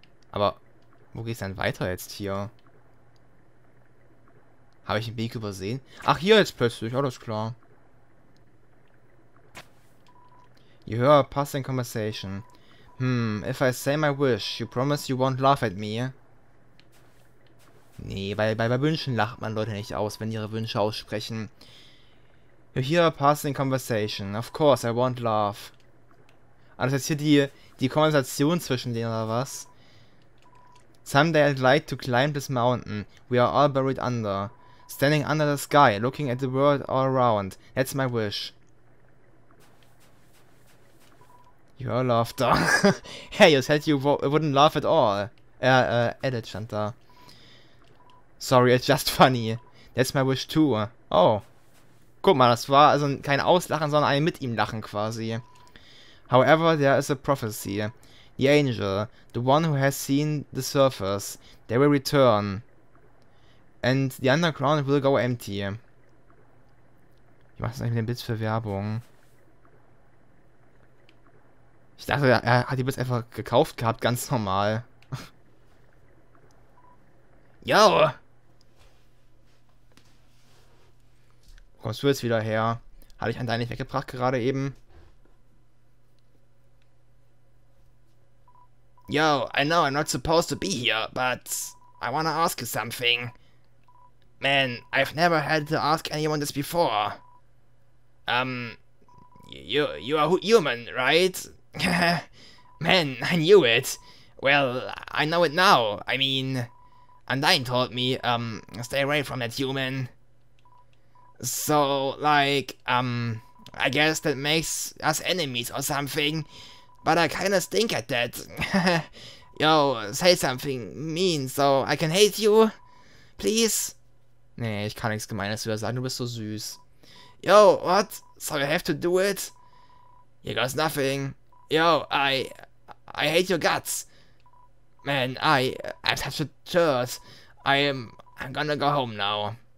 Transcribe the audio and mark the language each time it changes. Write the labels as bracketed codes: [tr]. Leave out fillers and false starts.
[de] Aber wo geht's denn weiter jetzt hier? Habe ich den Weg übersehen? Ach, hier jetzt plötzlich, alles klar. [en] You hear a passing conversation. If I say my wish, you promise you won't laugh at me. [de] Nee, bei Wünschen lacht man Leute nicht aus, wenn ihre Wünsche aussprechen. [en] You hear a passing conversation. Of course, I won't laugh. [de] Ah, das ist jetzt hier die Konversation zwischen denen oder was? [en] Someday I'd like to climb this mountain we are all buried under. Standing under the sky, looking at the world all around. That's my wish. Your laughter. Hey, you said you wouldn't laugh at all. Edit stand da. Sorry, it's just funny. That's my wish too. Oh. [de] Guck mal, das war also kein Auslachen, sondern ein mit ihm Lachen quasi. [en] However, there is a prophecy. The angel, the one who has seen the surface, they will return. And the underground will go empty. [de] Ich mach das eigentlich mit den Bits für Werbung. Ich dachte, er hat die Bits einfach gekauft gehabt, ganz normal. [en] Yo! [de] Wo kommst du jetzt wieder her? Hatte ich an deine weggebracht gerade eben? [en] Yo, I know I'm not supposed to be here, but I wanna ask you something. Man, I've never had to ask anyone this before. You are human, right? Man, I knew it. Well, I know it now. I mean, Undyne told me, stay away from that human. So, like, I guess that makes us enemies or something. But I kinda stink at that. Yo, say something mean so I can hate you. Please? [de] Nee, ich kann nichts Gemeines über sagen, du bist so süß. [en] Yo, what? So I have to do it? You got nothing. Yo, I hate your guts. Man, I'm such a turd. I'm gonna go home now.